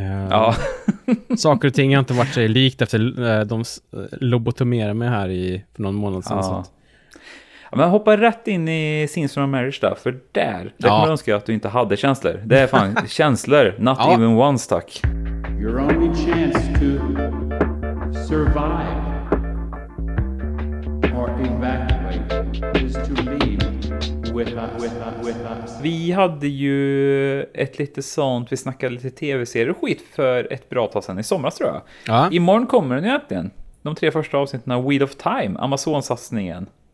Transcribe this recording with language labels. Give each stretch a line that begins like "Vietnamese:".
Swedish: Ja. Saker och ting har inte varit så likt efter de lobotomerade mig här för någon månad sedan. Ja, men hoppa rätt in i Scenes from a Marriage då, för där kommer jag önska att du inte hade känslor. Det är fan känslor,
English: not even once,
Swedish: tack.
English: Your only chance to survive or evacuate is to leave. With us.
Swedish: Vi hade ju ett lite sånt, vi snackade lite tv-serier och skit för ett bra tag sedan i somras tror jag. Ja. Imorgon kommer den ju egentligen, de tre första avsnitten av Wheel of Time, Amazon-satsningen.